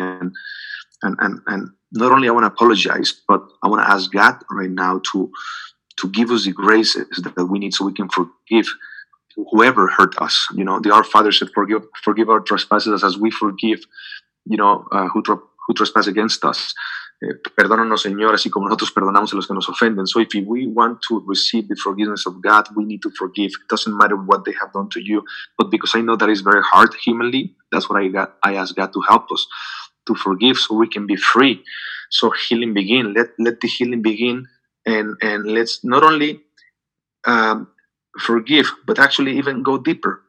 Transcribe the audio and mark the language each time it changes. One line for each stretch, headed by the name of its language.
English: And not only I want to apologize, but I want to ask God right now to give us the graces that we need so we can forgive whoever hurt us. You know, the Our Father said, forgive our trespasses as we forgive, you know, who trespass against us.
Spanish: Perdónanos, Señor, así como nosotros perdonamos a los que nos ofenden.
English: So if we want to receive the forgiveness of God, we need to forgive. It doesn't matter what they have done to you. But because I know that is very hard humanly, that's what I ask God to help us, to forgive so we can be free. So healing begin. Let the healing begin. And let's not only forgive, but actually even go deeper.